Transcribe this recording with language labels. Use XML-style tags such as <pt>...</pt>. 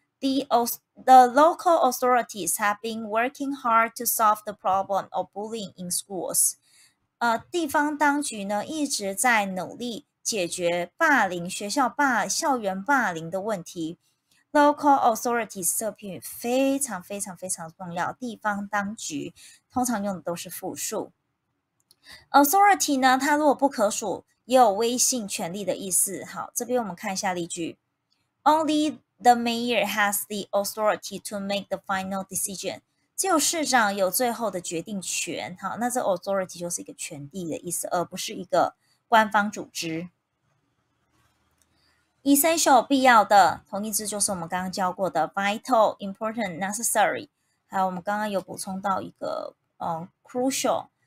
<en>The local authorities have been working hard to solve the problem of bullying in schools。</en> <zh>地方当局呢一直在努力解决霸凌，学校霸校园霸凌的问题。 Local authorities 这片语非常非常非常重要，地方当局通常用的都是复数。 Authority 呢它如果不可数也有威信权力的意思。好，这边我们看一下例句。</zh> <en>Only the mayor has the authority to make the final decision.</en> <zh>只有市长有最后的决定权。好，那这 authority 就是一个权力的意思，而不是一个官方组织。 Essential 必要的，同义字就是我们刚刚教过的 vital, important, necessary。还有我们刚刚有补充到一个crucial。</zh>